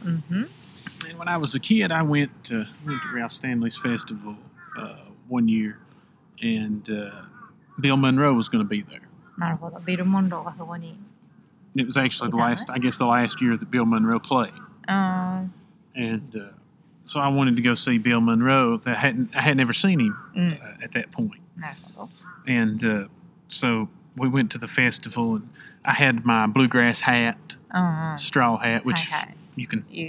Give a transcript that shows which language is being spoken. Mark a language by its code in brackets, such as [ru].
[en] And when I was a kid, I went to Ralph Stanley's festival 1 year. And... Bill Monroe was going to be there. [ja] なるほど。ビル・モンローがそこに。 [en] It was actually the last year that Bill Monroe played. So I wanted to go see Bill Monroe. I had never seen him at that point. [ja] なるほど。 [en] So we went to the festival, and I had my bluegrass hat, straw hat, which you can...